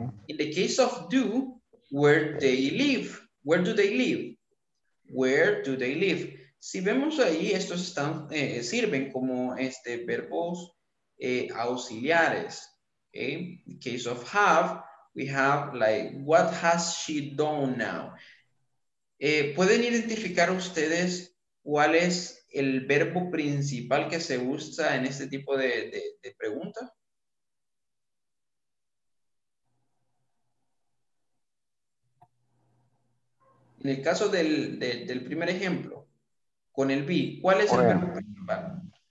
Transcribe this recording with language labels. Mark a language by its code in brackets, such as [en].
[en] In the case of do, where they live? Where do they live? Where do they live? [es] Si vemos ahí, estos están, sirven como verbos auxiliares. [en] Okay? In the case of have, we have like, what has she done now? [es] ¿Pueden identificar ustedes cuál es el verbo principal que se usa en este tipo de pregunta? En el caso del primer ejemplo, con el be, ¿cuál es el verbo principal?